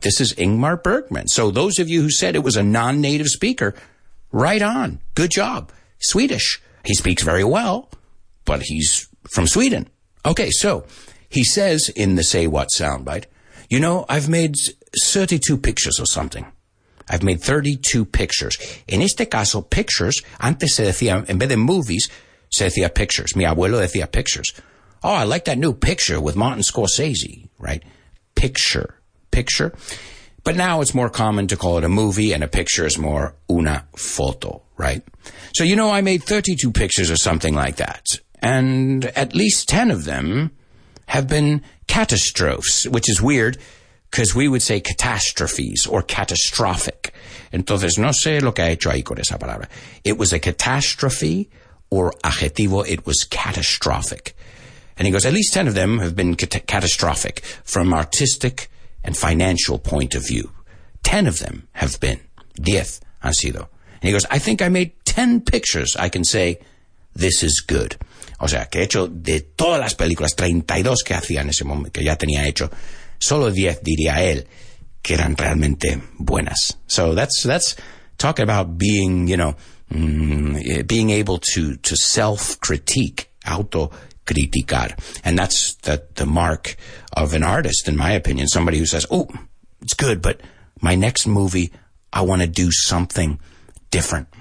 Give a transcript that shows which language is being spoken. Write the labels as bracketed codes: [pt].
[en] This is Ingmar Bergman. So those of you who said it was a non-native speaker, right on. Good job. Swedish. He speaks very well, but he's from Sweden. Okay, so he says in the Say What soundbite, you know, I've made 32 pictures or something. I've made 32 pictures. [es] En este caso, pictures, antes se decía, en vez de movies, se decía pictures. Mi abuelo decía pictures. [en] Oh, I like that new picture with Martin Scorsese, right? Picture, picture. But now it's more common to call it a movie, and a picture is more [es] una foto, [en] right? So, you know, I made 32 pictures or something like that. And at least 10 of them have been catastrophes, which is weird, because we would say catastrophes or catastrophic. [es] Entonces, no sé lo que ha hecho ahí con esa palabra. [en] It was a catastrophe or adjetivo. It was catastrophic. And he goes, at least 10 of them have been catastrophic from artistic and financial point of view. 10 of them have been. [es] 10 han sido. [en] And he goes, I think I made 10 pictures. I can say, this is good. [es] O sea, que he hecho de todas las películas, 32 que hacía en ese momento, que ya tenía hecho, solo 10 diría él, que eran realmente buenas. [en] So that's talking about being, you know, being able to self-critique, auto-criticar. And that's the mark of an artist, in my opinion, somebody who says, oh, it's good, but my next movie, I want to do something different.